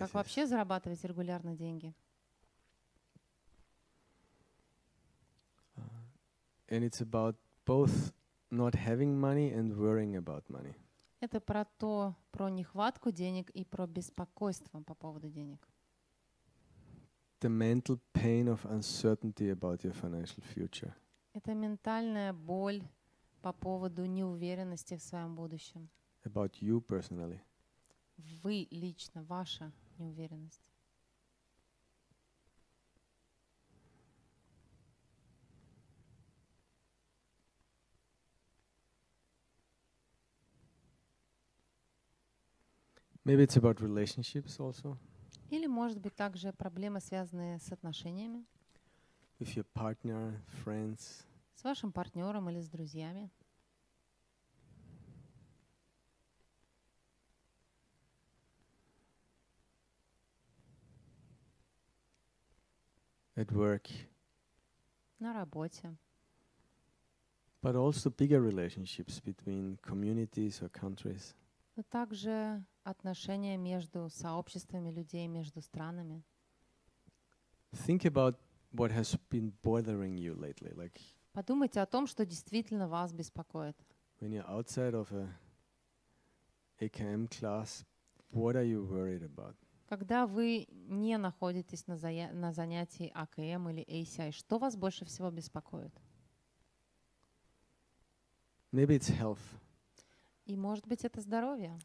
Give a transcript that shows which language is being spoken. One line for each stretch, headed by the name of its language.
Russian: Как вообще зарабатывать регулярно деньги?
English: And it's about both not having money and worrying about money.
Russian: Это про то, про нехватку денег и про беспокойство по поводу денег.
English: The mental pain of uncertainty about your financial future.
Russian: Это ментальная боль по поводу неуверенности в своем будущем.
English: About you personally.
Russian: Вы лично, ваша неуверенность.
English: Maybe it's about relationships also.
Russian: Или, может быть, также проблемы, связанные с отношениями.
English: With your partner, friends.
Russian: С вашим партнером или с друзьями.
English: At work.
Russian: На работе.
English: But also bigger relationships between communities or countries.
Russian: Но также отношения между сообществами людей, между странами.
English: Think about what has been bothering you lately, like.
Russian: Подумайте о том, что действительно вас беспокоит.
English: When you're outside of a AKM class, what are you worried about?
Russian: Когда вы не находитесь на занятии АКМ или ACI, что вас больше всего беспокоит?
English: Maybe it's health.
Russian: И, может быть, это здоровье.